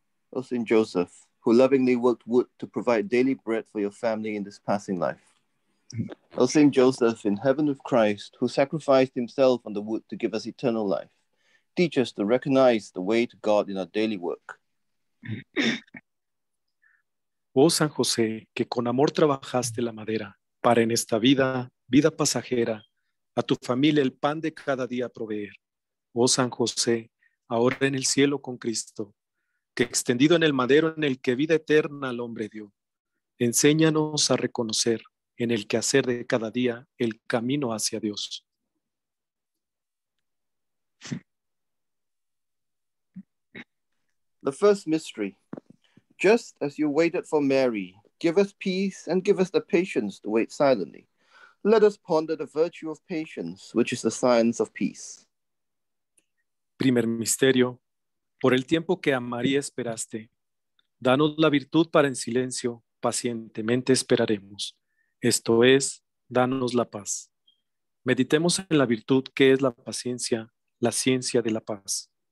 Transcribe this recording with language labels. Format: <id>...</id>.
<en>Oh, Saint Joseph, who lovingly worked wood to provide daily bread for your family in this passing life. Oh, Saint Joseph, in heaven with Christ, who sacrificed himself on the wood to give us eternal life, teach us to recognize the way to God in our daily work.</en> <es>Oh, San José, que con amor trabajaste la madera para en esta vida, vida pasajera, a tu familia el pan de cada día proveer. Oh, San José, ahora en el cielo con Cristo, que extendido en el madero en el que vida eterna al hombre dio, enséñanos a reconocer en el quehacer de cada día el camino hacia Dios.</es> <en>The first mystery. Just as you waited for Mary, give us peace and give us the patience to wait silently. Let us ponder the virtue of patience, which is the science of peace.</en> <es>Primer misterio. Por el tiempo que a María esperaste, danos la virtud para en silencio pacientemente esperaremos. Esto es, danos la paz. Meditemos en la virtud que es la paciencia, la ciencia de la paz.</es>